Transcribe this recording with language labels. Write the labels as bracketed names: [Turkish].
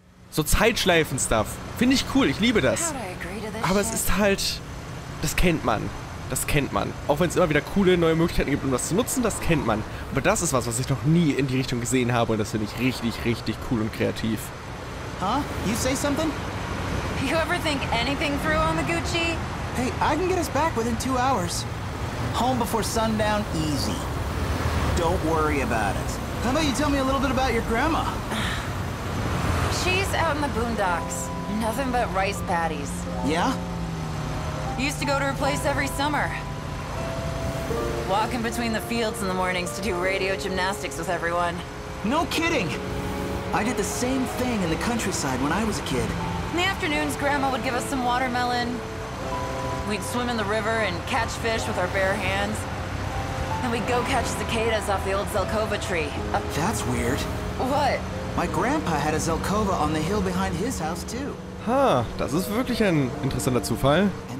[German] So Zeitschleifen-Stuff. Finde ich cool, ich liebe das. Aber es ist halt... Das kennt man. Auch wenn es immer wieder coole neue Möglichkeiten gibt, um das zu nutzen, das kennt man. Aber das ist was ich noch nie in die Richtung gesehen habe und das finde ich richtig, richtig cool und kreativ. [English] Huh? You say something? You ever think anything through on the Gucci? Hey, I can get us back within 2 hours. Home before sundown, easy. Don't worry about it. How about you tell me a little bit about your grandma? She's out in the boondocks. Nothing but rice patties. Yeah? Used to go to her place every summer. Walking between the fields in the mornings to do radio gymnastics with everyone. No kidding! I did the same thing in the countryside when I was a kid. In the afternoons, Grandma would give us some watermelon. We'd swim in the river and catch fish with our bare hands. Then we'd go catch cicadas off the old Zelkova tree. That's weird. What? My grandpa had a Zelkova on the hill behind his house, too. [German] Huh, das ist wirklich ein interessanter Zufall.